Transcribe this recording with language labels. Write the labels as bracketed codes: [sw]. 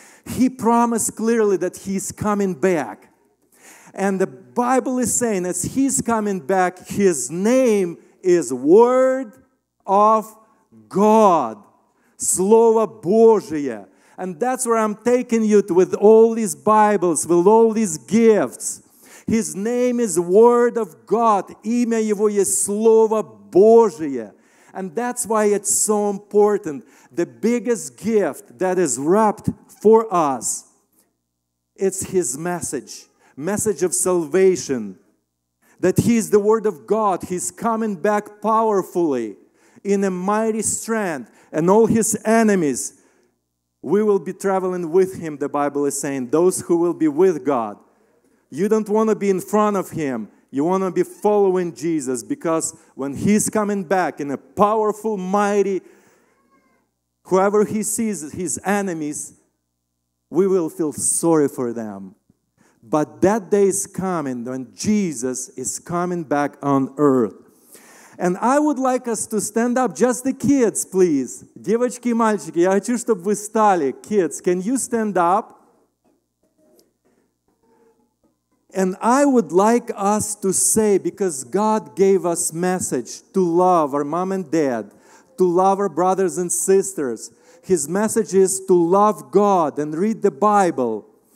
[en] He promised clearly that he's coming back. And the Bible is saying as he's coming back, his name is Word of God. [ru] Слово Божие. [en] And that's where I'm taking you to, with all these Bibles, with all these gifts. His name is Word of God. [ru] Имя Его есть Слово Божие. [en] And that's why it's so important. The biggest gift that is wrapped for us, it's His message. Message of salvation. That He is the Word of God. He's coming back powerfully in a mighty strength. And all His enemies, we will be traveling with Him, the Bible is saying. Those who will be with God. You don't want to be in front of Him. You want to be following Jesus. Because when He's coming back in a powerful, mighty, whoever He sees, His enemies, we will feel sorry for them. But that day is coming when Jesus is coming back on earth. And I would like us to stand up, just the kids, please. [ru] Девочки и мальчики, я хочу, чтобы вы встали. [en] Kids, can you stand up? And I would like us to say, because God gave us message to love our mom and dad, to love our brothers and sisters. His message is to love God and read the Bible.